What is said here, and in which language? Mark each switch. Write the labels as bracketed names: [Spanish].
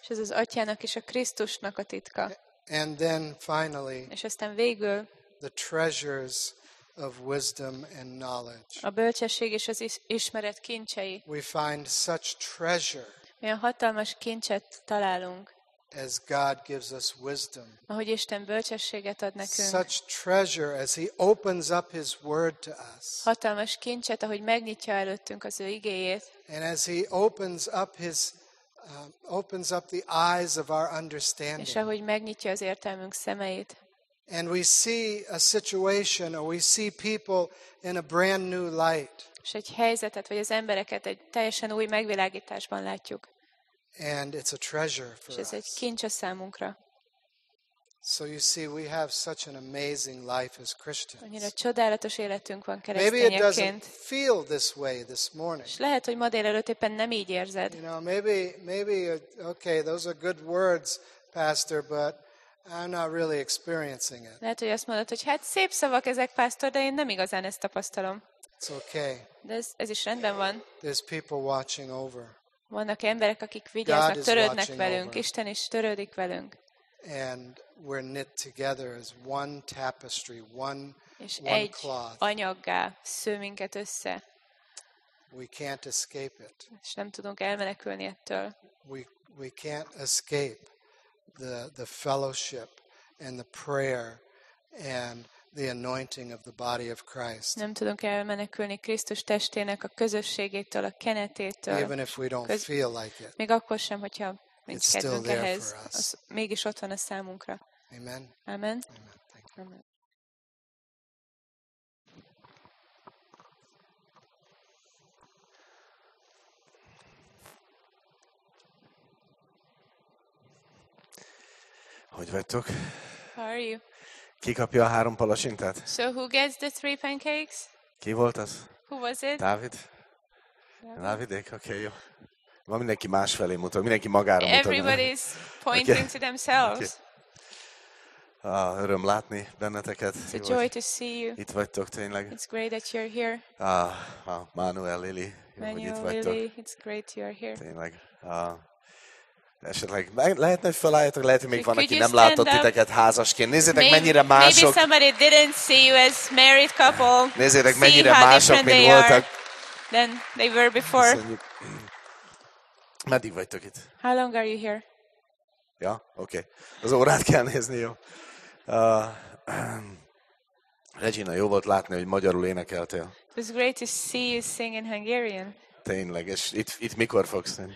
[Hungarian] És ez az Atyának és a Krisztusnak a titka. [English] And then finally, [Hungarian] és aztán végül, [English] the treasures of wisdom and knowledge. [Hungarian] A bölcsesség és az ismeret kincsei. [English] We find such treasure. [Hungarian] Milyen hatalmas kincset találunk. [English] As God gives us wisdom. [Hungarian] Ahogy Isten bölcsességet ad nekünk. [English] Such treasure as he opens up his word to us. [Hungarian] Hatalmas kincset, ahogy megnyitja előttünk az ő igéjét. [English] And as he opens up his opens up the eyes of our understanding. [Hungarian] És ahogy megnyitja az értelmünk szemeit. [English] And we see a situation or we see people in a brand new light. [Hungarian] És egy helyzetet vagy az embereket egy teljesen új megvilágításban látjuk. [English] And it's a treasure for us. [Hungarian] És ez egy kincs a számunkra. [English] So you see, we have such an amazing life as Christians. [Hungarian] Annyira csodálatos életünk van keresztényekként. [English] Maybe it doesn't feel this way this morning. [Hungarian] És lehet, hogy ma délelőtt éppen nem így érzed. [English] You know, maybe okay, those are good words, pastor, but I'm not really experiencing it. [Hungarian] Lehet, hogy azt mondod, hogy hát szép szavak ezek, pásztor, de én nem igazán ezt tapasztalom. [English] It's okay. [Hungarian] De ez is rendben van. [English] There's people watching over. [Hungarian] Vannak emberek, akik vigyáznak, törődnek velünk, Isten is törődik velünk. [English] And we're knit together as one tapestry, one [Hungarian] és egy anyaggá sző minket össze. [English] We can't escape it. [Hungarian] És nem tudunk elmenekülni ettől. [English] We can't escape the fellowship and the prayer and the anointing of the body of Christ. [Hungarian] Nem tudunk elmenekülni Krisztus testének a közösségétől, a kenetétől. [English] Even if we don't feel like it. [Hungarian] Még akkor sem, hogyha nincs kedvünk ehhez, az mégis ott van a számunkra. [English] Amen. [Hungarian] Amen. [English] Amen. Thank you. Amen. [Hungarian] Hogy vagytok? [English] How are you? [Hungarian] Ki kapja a három palacsintát? [English] So who gets the three pancakes? [Hungarian] Ki volt az? [English] Who was it? [Hungarian] Dávid. Dávidék, oké, jó. Van mindenki másfelé mutat, mindenki magára mutat. [English] Everybody's pointing to themselves. [Hungarian] Ah, öröm látni benneteket. [English] It's a joy to see you. [Hungarian] Itt vagytok tényleg. [English] It's great that you're here. [Hungarian] Manuel, Lili, jó, hogy itt vagytok. Lili, [English] it's great you're here. [Hungarian] Tényleg. Esetleg lehetne, hogy felálljátok, lehet, hogy még van, aki nem látott titeket házasként. Nézzétek, mennyire mások. [English] Maybe somebody didn't see you as married couple. [Hungarian] Nézzétek, mennyire mások, mint voltak. [English] Than they were before. [Hungarian] Meddig vagytok itt? [English] How long are you here? [Hungarian] Ja, oké. Okay. Az órát kell nézni, jó. Regina, jó volt látni, hogy magyarul énekeltél. [English] It was great to see you sing in Hungarian. [Hungarian] Tényleg, és itt mikor fogsz?